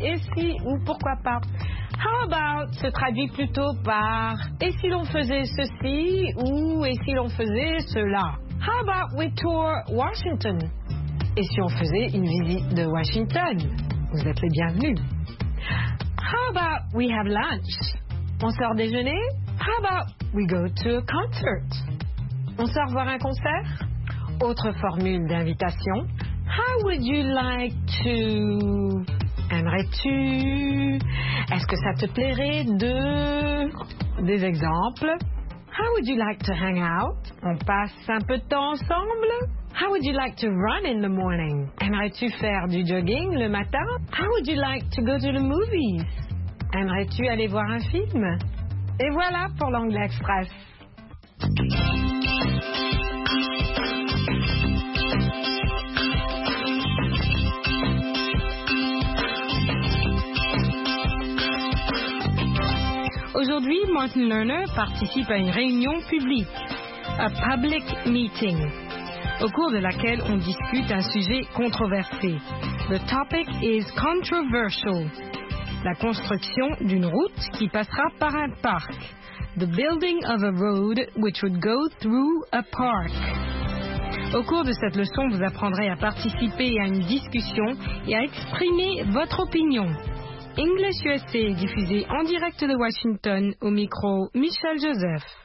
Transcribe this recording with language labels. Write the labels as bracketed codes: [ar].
[fr] Et si ou pourquoi pas? [en] How about [fr] se traduit plutôt par et si l'on faisait ceci ou et si l'on faisait cela? [en] How about we tour Washington? [fr] Et si on faisait une visite de Washington? Vous êtes les bienvenus. [en] How about we have lunch? [fr] On sort déjeuner? [en] How about we go to a concert? [fr] On sort voir un concert? Autre formule d'invitation. [en] How would you like to? [fr] Aimerais-tu? Est-ce que ça te plairait de? Des exemples. [en] How would you like to hang out? [fr] On passe un peu de temps ensemble? [en] How would you like to run in the morning? [fr] Aimerais-tu faire du jogging le matin? [en] How would you like to go to the movies? [fr] Aimerais-tu aller voir un film? Et voilà pour l'Anglais Express. Aujourd'hui, Martin Lerner participe à une réunion publique. [en] A public meeting. [fr] au cours de laquelle on discute un sujet controversé. [en] The topic is controversial. [fr] La construction d'une route qui passera par un parc. [en] The building of a road which would go through a park. [fr] Au cours de cette leçon, vous apprendrez à participer à une discussion et à exprimer votre opinion. English USA, diffusé en direct de Washington, au micro Michel Joseph.